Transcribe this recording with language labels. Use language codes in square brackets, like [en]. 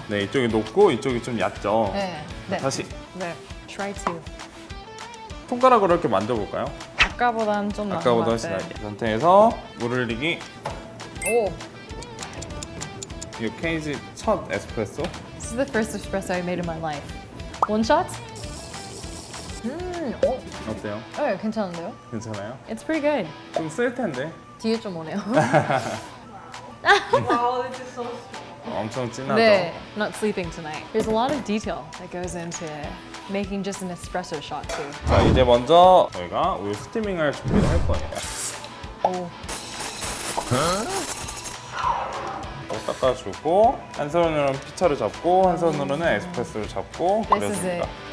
[ko] 네, 이쪽이 높고 이쪽이 좀 얕죠? 네. 자, 네. 다시 [en] 네. Try to [ko] 손가락으로 이렇게 만져볼까요? 아까보다는 좀 나은 것 같아요. 아까보다 훨씬 나게. 상태에서 물 흘리기. 오. 이 케이지 첫 에스프레소. [en] This is the first espresso I made in my life. One shot? [ko] 오. 어때요? 네, 괜찮은데요? 괜찮아요? [en] It's pretty good. [ko] 좀 쓸 텐데. 뒤에 좀 오네요. [en] Wow, this is so sweet. [ko] 엄청 진하죠? [en] 네, not sleeping tonight. There's a lot of detail that goes into making just an espresso shot too. [ko] 자, 이제 먼저 저희가 우유 스티밍을 준비를 할 거예요. 오. 이거 닦아주고 한 손으로는 피처를 잡고 한 손으로는 에스프레소를 잡고 그렸습니다.